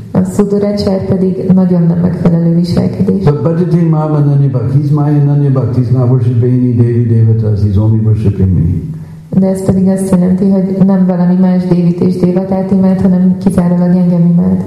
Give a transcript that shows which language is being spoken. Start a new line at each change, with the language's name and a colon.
Hungarian: A Suduracharya pedig nagyon nem megfelelő viselkedés.
English: But
Sanskrit: Bhajati Mama Nanyabhakti,
English: he's my Nanyabhakti, he's not worshipping any Devi Devatas, he's only worshipping me.
Hungarian: De ez pedig azt jelenti, hogy nem valami más Devit és Devatát imád, hanem kizárólag engem imád.